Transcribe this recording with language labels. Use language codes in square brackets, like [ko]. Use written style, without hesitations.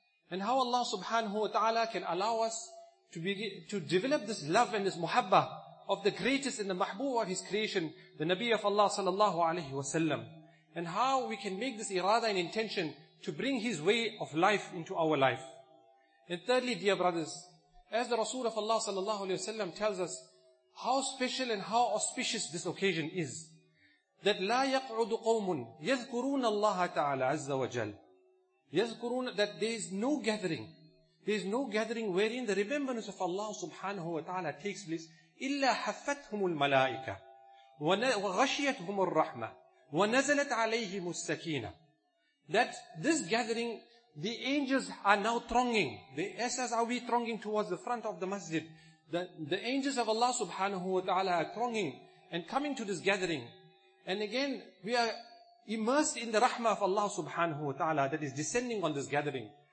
[en] And how Allah subhanahu wa ta'ala can allow us to develop this love and this muhabba of the greatest and the mahbub of His creation, the Nabi of Allah sallallahu alayhi wa sallam. And how we can make this irada and intention to bring His way of life into our life. And thirdly, dear brothers, as the Rasul of Allah sallallahu alayhi wa sallam tells us, how special and how auspicious this occasion is. [ar] That لا يقعد قوم يذكرون الله تعالى عز وجل. [en] يذكرون, that there is no gathering. There is no gathering wherein the remembrance of Allah subhanahu wa ta'ala takes place. [ar] إلا حفتهم الملائكة وغشيتهم الرحمة ونزلت عليهم السكينة. [en] That this gathering, the angels are now thronging. As we are thronging towards the front of the masjid. The angels of Allah subhanahu wa ta'ala are thronging and coming to this gathering. And again, we are immersed in the rahmah of Allah subhanahu wa ta'ala that is descending on this gathering.